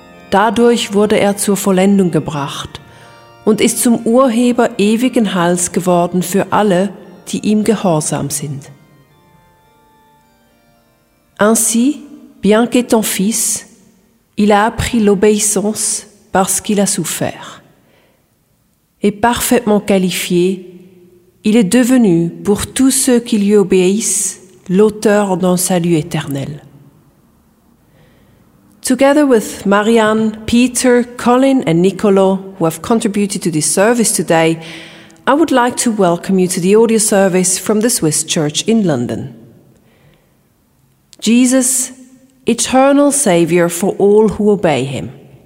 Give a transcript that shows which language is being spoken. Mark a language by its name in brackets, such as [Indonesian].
[German] Dadurch wurde er zur Vollendung gebracht und ist zum Urheber ewigen Heils geworden für alle, die ihm gehorsam sind. [French] Ainsi, bien qu'étant fils, il a appris l'obéissance parce qu'il a souffert. Et parfaitement qualifié, il est devenu pour tous ceux qui lui obéissent l'auteur d'un salut éternel. [English] Together with Marianne, Peter, Colin and Niccolo, who have contributed to this service today, I would like to welcome you to the audio service from the Swiss Church in London. Jesus, eternal Savior for all who obey him.